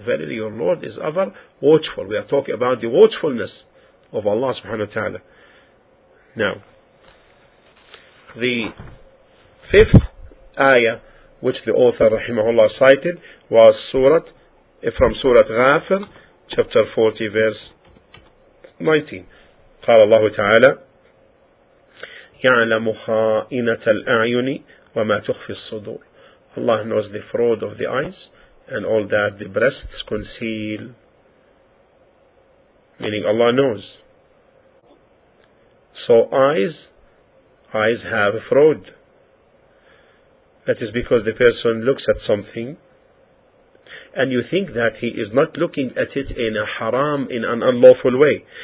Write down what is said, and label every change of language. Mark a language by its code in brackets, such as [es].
[en] Verily your Lord is ever watchful. We are talking about the watchfulness of Allah subhanahu wa ta'ala. Now, the fifth ayah which the author rahimahullah cited was from Surah Ghafir, chapter 40, verse 19. [ar] قال الله تعالى يعلم خائنة الأعين وما تخفي الصدور. [en] Allah knows the fraud of the eyes and all that the breasts conceal. Meaning Allah knows. So eyes have fraud. That is because the person looks at something and you think that he is not looking at it in a haram, in an unlawful way.